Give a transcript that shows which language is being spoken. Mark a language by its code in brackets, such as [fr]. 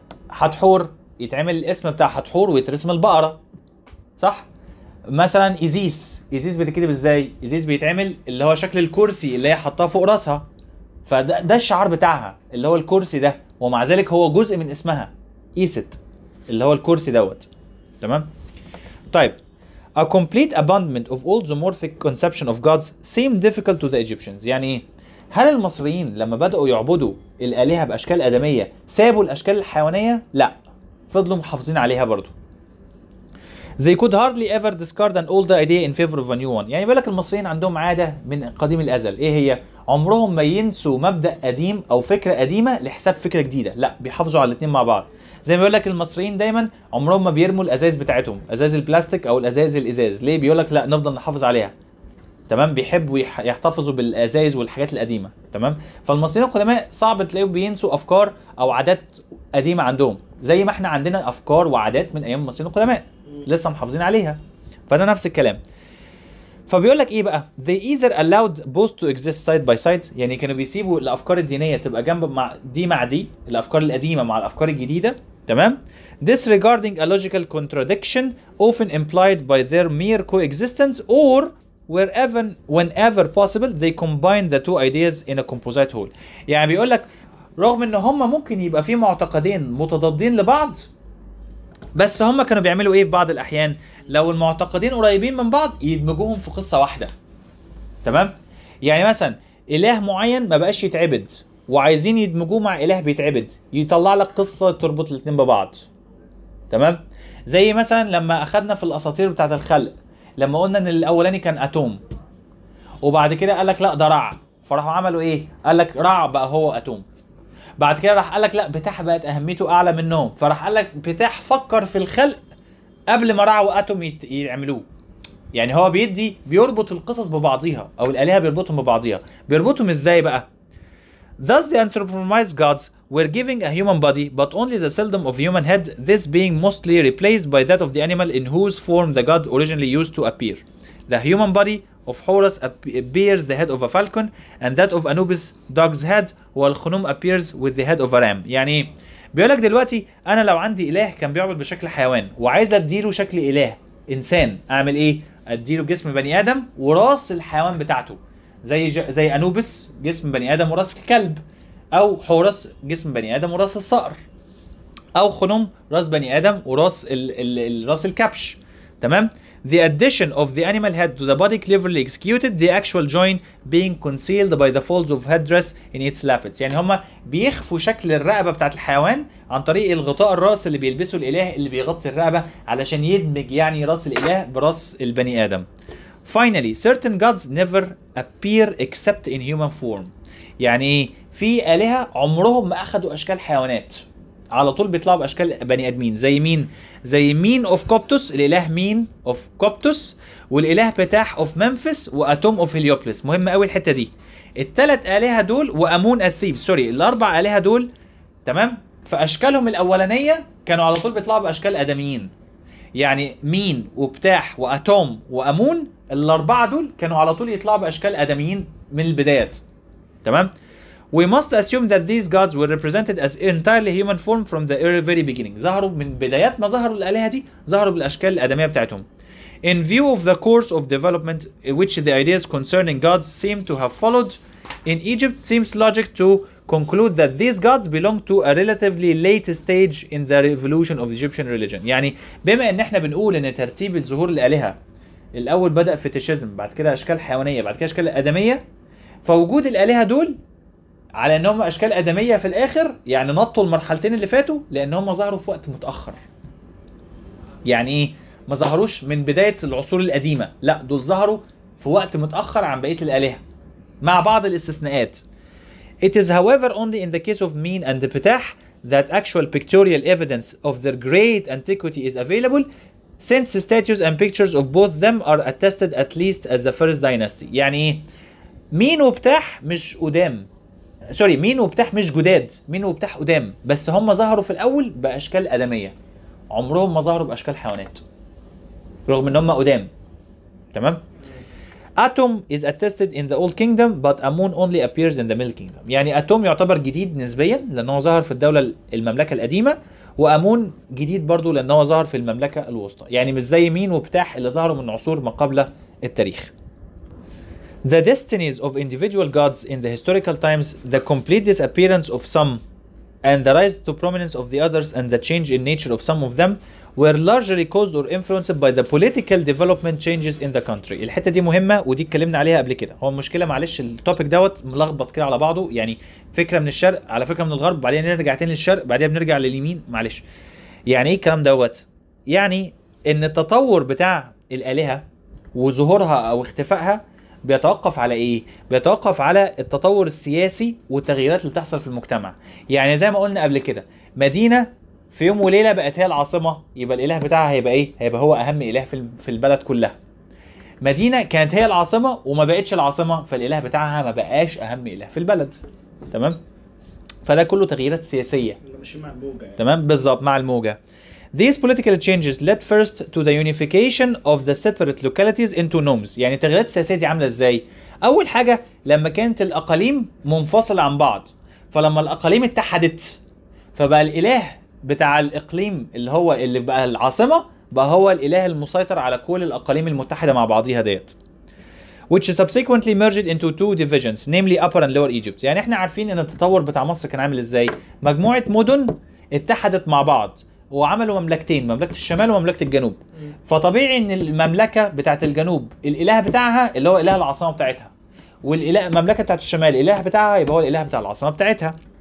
[ar] حتحور يتعمل الاسم بتاع حتحور ويترسم البقرة، صح؟ مثلا ايزيس، ايزيس بتتكتب ازاي؟ ايزيس بيتعمل اللي هو شكل الكرسي اللي هي حطاه فوق راسها، فده الشعار بتاعها اللي هو الكرسي ده، ومع ذلك هو جزء من اسمها ايست اللي هو الكرسي دوت تمام. طيب [en] a complete abandonment of all zoomorphic conception of gods seemed difficult to the Egyptians. [ar] يعني هل المصريين لما بدأوا يعبدوا الالهه باشكال ادميه سابوا الاشكال الحيوانيه؟ لا، فضلوا محافظين عليها برضو. [en] They could hardly ever discard an old idea in favor of a new one. [ar] يعني بيقول لك المصريين عندهم عادة من قديم الأزل، إيه هي؟ عمرهم ما ينسوا مبدأ قديم أو فكرة قديمة لحساب فكرة جديدة، لا، بيحافظوا على الاثنين مع بعض. زي ما بيقول لك المصريين دايما عمرهم ما بيرموا الأزاز بتاعتهم، أزاز البلاستيك أو الأزاز الإزاز، ليه؟ بيقول لك لا، نفضل نحافظ عليها. تمام؟ بيحبوا يحتفظوا بالأزاز والحاجات القديمة، تمام؟ فالمصريين القدماء صعب تلاقيهم بينسوا أفكار أو عادات قديمة عندهم، زي ما إحنا عندنا أفكار وعادات من أيام المصريين القدماء لسه محافظين عليها، فده نفس الكلام. فبيقول لك ايه بقى, [en] they either allowed both to exist side by side, [ar] يعني كانوا بيسيبوا الافكار الدينيه تبقى جنب مع دي مع دي, الافكار القديمه مع الافكار الجديده, تمام, [en] disregarding a logical contradiction often implied by their mere coexistence, or wherever whenever possible they combine the two ideas in a composite whole. [ar] يعني بيقول لك رغم ان هم ممكن يبقى في معتقدين متضادين لبعض, بس هم كانوا بيعملوا ايه في بعض الاحيان, لو المعتقدين قريبين من بعض يدمجوهم في قصه واحده, تمام. يعني مثلا اله معين ما بقاش يتعبد وعايزين يدمجوه مع اله بيتعبد, يطلع لك قصه تربط الاثنين ببعض, تمام. زي مثلا لما اخذنا في الاساطير بتاعه الخلق, لما قلنا ان الاولاني كان اتوم وبعد كده قالك لا ده رع, فراحوا عملوا ايه, قالك رع بقى هو اتوم, بعد كده راح قالك لا بتاح بقت اهميته اعلى من النوم, فراح قالك بتاح فكر في الخلق قبل ما رع واتوم يعملوه. يعني هو بيدي بيربط القصص ببعضيها او الالهه بيربطهم ببعضيها. بيربطهم ازاي بقى؟ [en] Thus the anthropomorphized gods were giving a human body but only the seldom of human head, this being mostly replaced by that of the animal in whose form the god originally used to appear. The human body of Horus bears the head of a falcon and that of Anubis dog's head, while Khnum appears with the head of a ram. [ar] يعني بيقولك دلوقتي انا لو عندي اله كان بيعبد بشكل حيوان وعايز اديله شكل اله انسان, اعمل ايه؟ اديله جسم بني ادم وراس الحيوان بتاعته, زي انوبس جسم بني ادم وراس الكلب, او حورس جسم بني ادم وراس الصقر, او خنوم راس بني ادم وراس راس الكبش, تمام. [en] The addition of the animal head to the body cleverly executed, the actual joint being concealed by the folds of headdress in its lappets. [ar] يعني هما بيخفوا شكل الرقبة بتاعت الحيوان عن طريق الغطاء الراس اللي بيلبسه الاله اللي بيغطي الرقبة علشان يدمج يعني راس الاله براس البني ادم. [en] Finally, certain gods never appear except in human form. [ar] يعني في آلهة عمرهم ما أخدوا أشكال حيوانات, على طول بيطلعوا بأشكال بني آدمين. زي مين؟ زي مين [en] of Koptos, [ar] الإله مين of Koptos, والإله بتاح [en] of Memphis, [ar] وأتوم [en] of Heliopolis. [ar] مهم قوي الحتة دي. الثلاث آلهة دول وأمون الثيب, سوري, الأربع آلهة دول, تمام, فأشكالهم الأولانية كانوا على طول بيطلعوا بأشكال آدميين. يعني مين وبتاح وأتوم وأمون, الأربعة دول كانوا على طول يطلعوا بأشكال آدميين من البدايات, تمام. [en] We must assume that these gods were represented as entirely human form from the very beginning. [ar] ظهروا من بدايات ما ظهروا الآلهة دي, ظهروا بالأشكال الآدمية بتاعتهم. [en] In view of the course of development which the ideas concerning gods seem to have followed in Egypt, seems logic to conclude that these gods belong to a relatively late stage in the revolution of Egyptian religion. [ar] يعني بما ان احنا بنقول ان ترتيب ظهور الآلهة الاول بدأ في فيتيشيزم, بعد كده اشكال حيوانية, بعد كده اشكال آدمية, فوجود الآلهة دول على انهم اشكال ادميه في الاخر يعني نطوا المرحلتين اللي فاتوا لانهم ظهروا في وقت متاخر. يعني ايه؟ ما ظهروش من بدايه العصور القديمه, لا, دول ظهروا في وقت متاخر عن بقيه الالهه مع بعض الاستثناءات. [en] It is however only in the case of Mean and Ptah that actual pictorial evidence of their great antiquity is available, since statues and pictures of both them are attested at least as the first dynasty. [ar] يعني ايه؟ مين وبتاح مش قدام, سوري, مين وبتاح مش جداد, مين وبتاح قدام, بس هم ظهروا في الاول باشكال ادميه, عمرهم ما ظهروا باشكال حيوانات رغم ان هم قدام, تمام. [en] Atum is attested in the old kingdom but amun only appears in the middle kingdom. [ar] يعني اتوم يعتبر جديد نسبيا لانه ظهر في الدوله المملكه القديمه, وامون جديد برضو لانه ظهر في المملكه الوسطى. يعني مش زي مين وبتاح اللي ظهروا من عصور ما قبل التاريخ. [en] The destinies of individual gods in the historical times, the complete disappearance of some and the rise to prominence of the others and the change in nature of some of them were largely caused or influenced by the political development changes in the country. [ar] الحتة دي مهمة ودي اتكلمنا عليها قبل كده. هو المشكلة معلش التوبيك دوت ملخبط كده على بعضه, يعني فكرة من الشرق على فكرة من الغرب, بعدين نرجع تاني للشرق, بعدين بنرجع لليمين, معلش. يعني ايه الكلام دوت؟ يعني ان التطور بتاع الآلهة وظهورها او اختفائها بيتوقف على ايه؟ بيتوقف على التطور السياسي والتغييرات اللي بتحصل في المجتمع. يعني زي ما قلنا قبل كده, مدينة في يوم وليلة بقت هي العاصمة, يبقى الاله بتاعها هيبقى ايه؟ هيبقى هو اهم اله في البلد كلها. مدينة كانت هي العاصمة وما بقتش العاصمة, فالاله بتاعها ما بقاش اهم اله في البلد, تمام؟ فده كله تغييرات سياسية مش مع الموجة, تمام؟ بالظبط, مع الموجة. [en] These political changes led first to the unification of the separate localities into nomes. [ar] يعني التغييرات السياسية دي عاملة ازاي؟ أول حاجة لما كانت الأقاليم منفصلة عن بعض، فلما الأقاليم اتحدت فبقى الإله بتاع الإقليم اللي هو اللي بقى العاصمة بقى هو الإله المسيطر على كل الأقاليم المتحدة مع بعضيها ديت. [en] Which subsequently merged into two divisions, namely Upper and Lower Egypt. [ar] يعني احنا عارفين ان التطور بتاع مصر كان عامل ازاي؟ مجموعة مدن اتحدت مع بعض وعملوا مملكتين، مملكة الشمال ومملكة الجنوب. فطبيعي ان المملكة بتاعت الجنوب الاله بتاعها اللي هو اله العاصمة بتاعتها، والاله مملكة بتاعت الشمال الاله بتاعها يبقى هو الاله بتاع العاصمة بتاعتها.